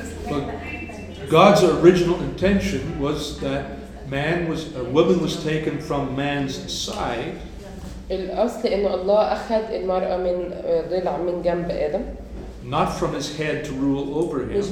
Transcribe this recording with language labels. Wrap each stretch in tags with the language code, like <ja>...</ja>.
<en>But God's original intention was that man was a woman was taken from man's side.</en> <ar>الأصل إنه الله أخذ المرأة من ضلع من جنب آدم.</ar> <en>Not from his head to rule over him.</en>